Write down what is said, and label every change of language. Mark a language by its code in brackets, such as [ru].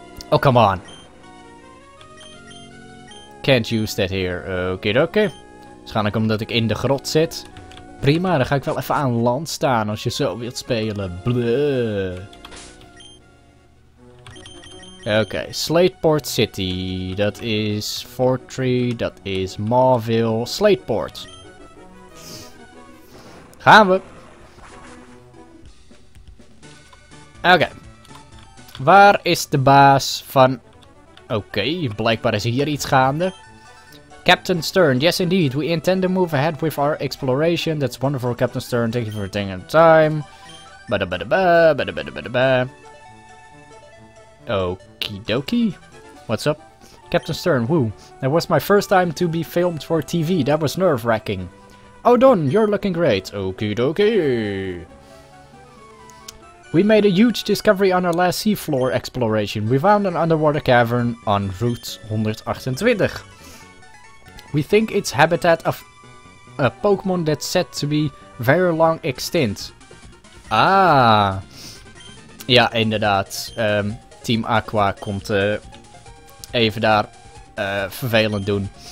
[en] Oh, come on. Can't use that here. Okie dokie. [nl] Waarschijnlijk omdat ik in de grot zit. Prima, dan ga ik wel even aan land staan als je zo wilt spelen. Bluh. [en] Okay, Slateport City, that is Fortree, that is Marville, Slateport. [nl] Gaan we. Okay. Waar is de baas van... Okay, blijkbaar is hier iets gaande. [en] Captain Stern, yes indeed, we intend to move ahead with our exploration. That's wonderful, Captain Stern, thank you for taking the time. Bada bada ba, bada bada bada ba. Okie dokie. What's up? Captain Stern, woo. That was my first time to be filmed for TV. That was nerve-wracking. Oh, Don, you're looking great. Okie dokie. We made a huge discovery on our last seafloor exploration. We found an underwater cavern on Route 128. We think it's habitat of a Pokémon that's said to be very long extinct. [nl] Ah. Ja, inderdaad. Team Aqua komt even daar vervelend doen.